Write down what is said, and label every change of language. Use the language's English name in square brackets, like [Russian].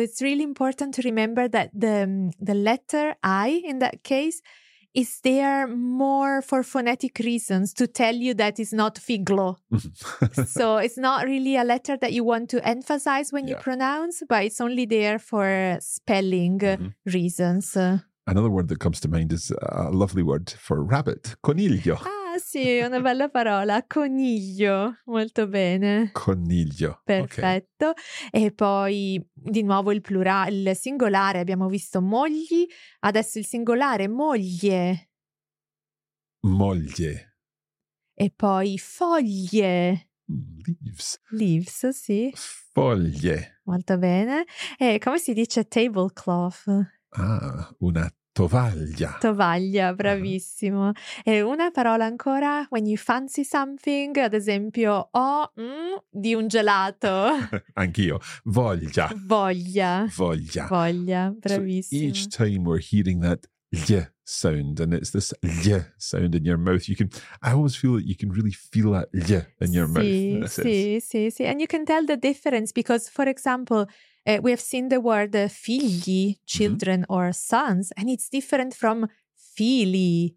[English] It's really important to remember that the letter I in that case is there more for phonetic reasons to tell you that it's not figlo. So it's not really a letter that you want to emphasize when you pronounce, but it's only there for spelling reasons. Another word that comes to mind is a lovely word for rabbit, coniglio. [Italian] Ah sì, una bella parola, coniglio, molto bene. Coniglio, perfetto. [English] Okay. [Italian] E poi di nuovo il plurale, il singolare, abbiamo visto mogli, adesso il singolare, moglie. Moglie. E poi foglie. [English] Leaves. Leaves, sì. [Italian] Foglie. Molto bene. E come si dice tablecloth? Ah, una tovaglia. Tovaglia, bravissimo. Uh-huh. E una parola ancora, when you fancy something, ad esempio, di un gelato. Anch'io, voglia. Voglia. Voglia. Voglia, bravissimo. [English] So each time we're hearing that ll sound, and it's this ll sound in your mouth, you can, I always feel that you can really feel that ll in your mouth. [Italian] Sì. [English] And you can tell the difference because, for example, we have seen the word figli, children or sons, and it's different from fili.